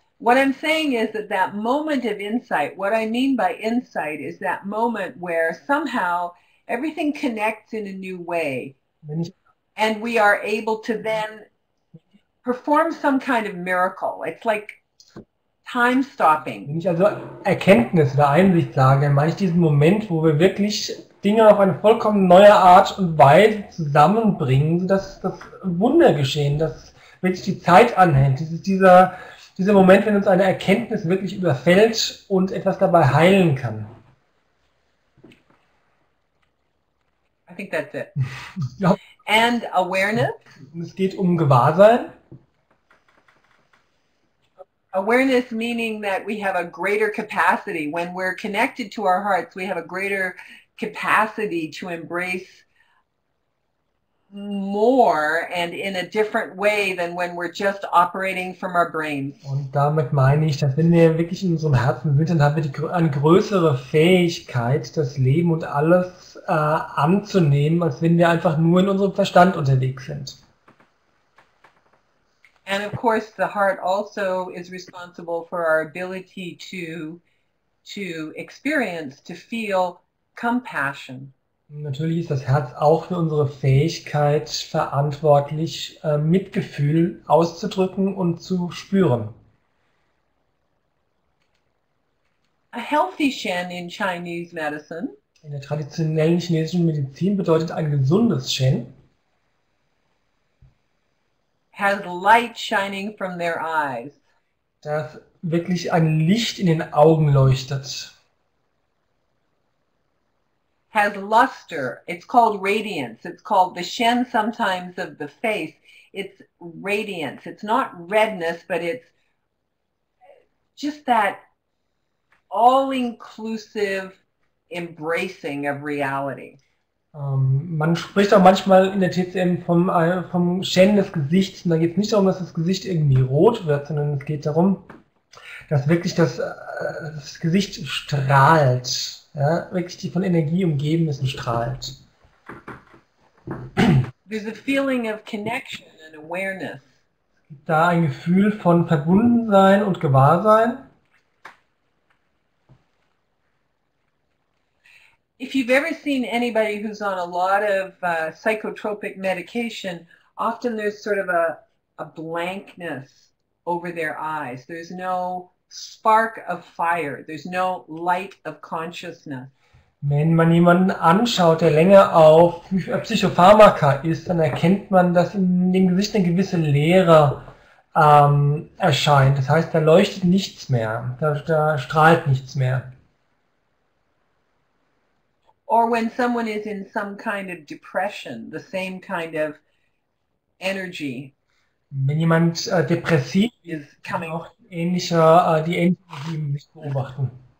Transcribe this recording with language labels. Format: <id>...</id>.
<en>What I'm saying is that that moment of insight, what I mean by insight is that moment where somehow everything connects in a new way and we are able to then perform some kind of miracle. It's like time</en> <de>Wenn</de> <en>stopping.</en> <de>ich also Erkenntnis oder Einsicht sage, meine ich diesen Moment, wo wir wirklich Dinge auf eine vollkommen neue Art und Weise zusammenbringen, sodass das Wunder geschehen, dass wirklich die Zeit anhält. Dieser Moment, wenn uns eine Erkenntnis wirklich überfällt und etwas dabei heilen kann.</de> <en>I think that's it.</en> <de>Ja.</de> <en>And awareness.</en> <de>Es geht um Gewahrsein.</de> <en>Awareness meaning that we have a greater capacity. When we're connected to our hearts, we have a greater capacity to embrace more and in a different way than when we're just operating from our brains.</en> <de>Und damit meine ich, dass wenn wir wirklich in unserem Herzen sind, dann haben wir eine größere Fähigkeit, das Leben und alles anzunehmen, als wenn wir einfach nur in unserem Verstand unterwegs sind.</de> <en>And of course, the heart also is responsible for our ability to experience, to feel compassion.</en> <de>Natürlich ist das Herz auch für unsere Fähigkeit verantwortlich, Mitgefühl auszudrücken und zu spüren.</de> <en>A healthy Shen in Chinese medicine.</en> <de>In der traditionellen chinesischen Medizin bedeutet ein gesundes Shen</de> <en>Has light shining from their eyes.</en> <de>das wirklich ein Licht in den Augen leuchtet.</de> <en>Has luster. It's called radiance. It's called the shen sometimes of the face. It's radiance. It's not redness, but it's just that all-inclusive embracing of reality.</en> <de>Man spricht auch manchmal in der TCM vom Shen des Gesichts. Und da geht es nicht darum, dass das Gesicht irgendwie rot wird, sondern es geht darum, dass wirklich das Gesicht strahlt, ja? Wirklich die von Energie umgeben ist und strahlt.</de> <en>There's a feeling of connection and awareness.</en> <de>Gibt da ein Gefühl von Verbundensein und Gewahrsein.</de> <en>If you've ever seen anybody who's on a lot of psychotropic medication, often there's sort of a blankness over their eyes. There's no spark of fire. There's no light of consciousness.</en> <de>Wenn man jemanden anschaut, der länger auf Psychopharmaka ist, dann erkennt man, dass in dem Gesicht eine gewisse Leere erscheint. Das heißt, da leuchtet nichts mehr, da strahlt nichts mehr.</de> <en>Or when someone is in some kind of depression, the same kind of energy</en> <de>Wenn jemand depressiv ist,</de> <en>is</en> <de>kann</de> <en>coming.</en> <de>auch ähnlicher die Ähnlichkeit nicht beobachten.</de>